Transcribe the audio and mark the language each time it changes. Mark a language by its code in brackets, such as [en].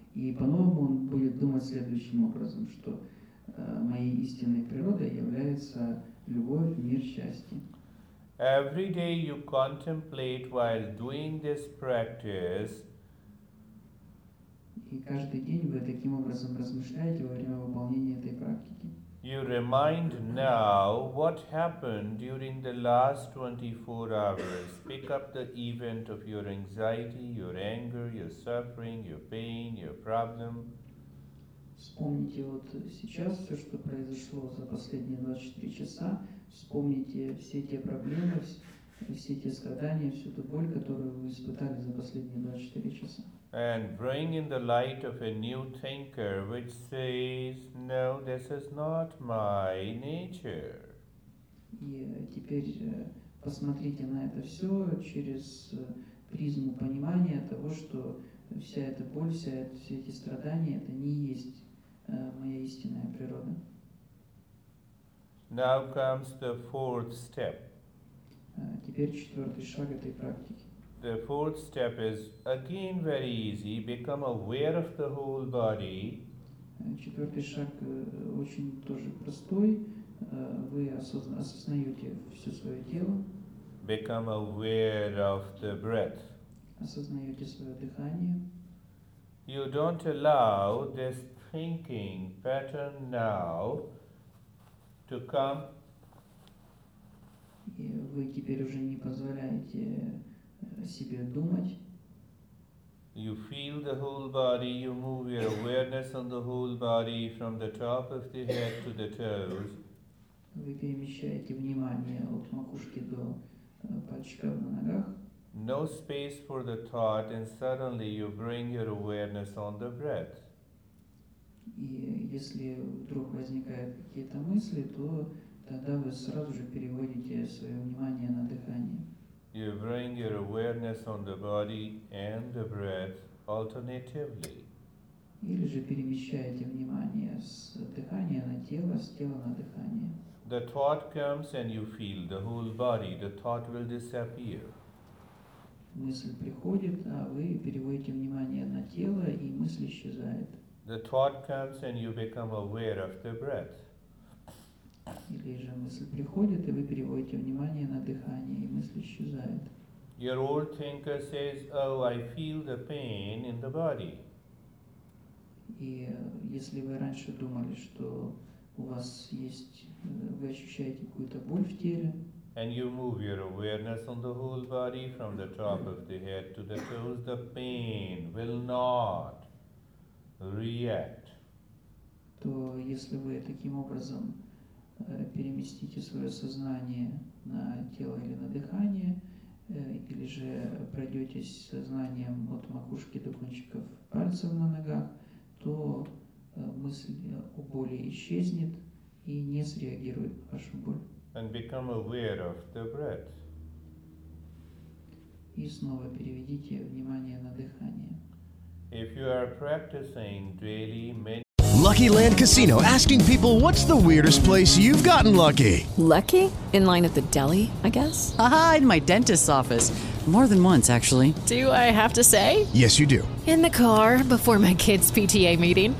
[ru] И по-новому он будет думать следующим образом, что моей истинной природой является любовь, мир, счастье. [en] Every day you contemplate while doing this practice. [ru] И каждый день вы таким образом размышляете во время выполнения этой практики. [en] You remind now what happened during the last 24 hours. Pick up the event of your anxiety, your anger, your suffering, your pain, your problem. [ru] Вспомните вот сейчас все, что произошло за последние 24 часа. Вспомните все те проблемы, все те страдания, всю ту боль, которую вы испытали за последние 24 часа. [en] And bring in the light of a new thinker, which says, no, this is not my nature. [ru] И теперь посмотрите на это все через призму понимания того, что вся эта боль, все эти страдания, это не есть моя истинная природа. [en] Now comes the fourth step. [ru] Теперь четвертый шаг этой практики. [en] The fourth step is again very easy. Become aware of the whole body. [ru] Четвертый шаг очень тоже простой. Вы осознаете все свое тело. [en] Become aware of the breath. [ru] Осознаете свое дыхание. [en] You don't allow this thinking pattern now to come. [ru] И вы теперь уже не позволяете себе думать. [en] You feel the whole body, you move your awareness on the whole body from the top of the head to the toes. [ru] Вы перемещаете внимание от макушки до пальчиков на ногах. [en] No space for the thought, and suddenly you bring your awareness on the breath. [ru] И если вдруг возникают какие-то мысли, то тогда вы сразу же переводите свое внимание на дыхание. [en] You bring your awareness on the body and the breath alternatively. [ru] Или же перемещаете внимание с дыхания на тело, с тела на дыхание. [en] The thought comes and you feel the whole body. The thought will disappear. [ru] Мысль приходит, а вы переводите внимание на тело, и мысль исчезает. [en] The thought comes and you become aware of the breath. [ru] Или же мысль приходит, и вы переводите внимание на дыхание, и мысль исчезает. [en] Your old thinker says, oh, I feel the pain in the body. [ru] И если вы раньше думали, что у вас есть, вы ощущаете какую-то боль в теле. [en] And you move your awareness on the whole body from the top of the head to the toes, the pain will not react. [ru] если вы таким образом переместите свое сознание на тело или на дыхание, или же пройдетесь сознанием от макушки до кончиков пальцев на ногах, то мысль о боли исчезнет и не среагирует на вашу боль. [en] And become aware of the breath. [ru] И снова переведите внимание на дыхание. [en] If you are practicing daily meditation. Lucky Land Casino, asking people, what's the weirdest place you've gotten lucky? Lucky? In line at the deli, I guess? Aha, in my dentist's office. More than once, actually. Do I have to say? Yes, you do. In the car, before my kids' PTA meeting.